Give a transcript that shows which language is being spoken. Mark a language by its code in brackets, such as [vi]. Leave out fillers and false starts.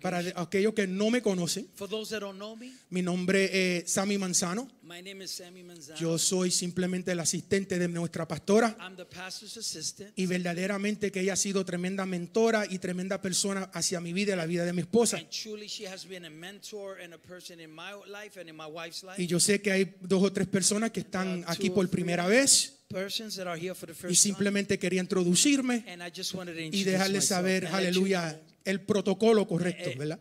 [es] Para aquellos que no me conocen, [en] for those that don't know me, [es] mi nombre es Sammy Manzano. [en] My name is Sammy Manzano. [es] Yo soy simplemente el asistente de nuestra pastora. [en] I'm the pastor's assistant. [es] Y verdaderamente que ella ha sido tremenda mentora y tremenda persona hacia mi vida y la vida de mi esposa. [en] And truly she has been a mentor and a person in my life and in my wife's life. [es] Y yo sé que hay dos o tres personas que están aquí por primera vez. [en] Persons that are here for the first [es] y simplemente [en] time. [es] Quería introducirme [en] and I just wanted to introduce [es] y dejarles saber, aleluya, el protocolo correcto, ¿verdad?